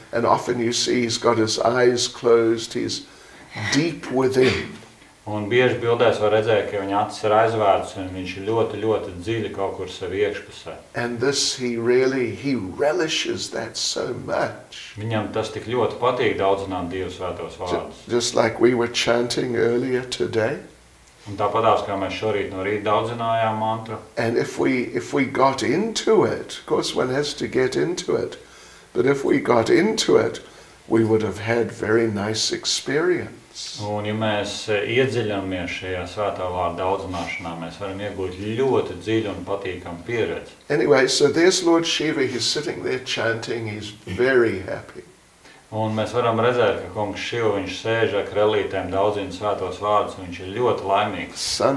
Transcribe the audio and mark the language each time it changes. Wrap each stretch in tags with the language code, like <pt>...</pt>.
<en>And often you see he's got his eyes closed, he's deep within.</en> <lv>Un bieži bildēs var redzēt, ka viņa acis ir aizvērtas un viņš ir ļoti, ļoti dziļi kaut kur sev iekšpusē.</lv> <en>And this he relishes that so much.</en> <lv>Viņam tas tik ļoti patīk daudzināt Dieva svētos vārdus.</lv> <en>Just like we were chanting earlier today.</en> <lv>Un tāpatās, kā mēs šorīt no rīta daudzinājām mantru.</lv> <en>And if we got into it, of course one has to get into it, but if we got into it, we would have had very nice experience.</en> <lv>Un ja mēs iedziļamies šajā svētā vārda daudzināšanā, mēs varam iegūt ļoti dziļu un patīkamu pieredzi.</lv> <en>Anyway, so there's Lord Shiva, he's sitting there chanting, he's very happy.</en> <lv>Un mēs varam redzēt, ka kungs Shiva, viņš sēž ar krellītēm daudzina svētos vārdus, viņš ir ļoti laimīgs.</lv>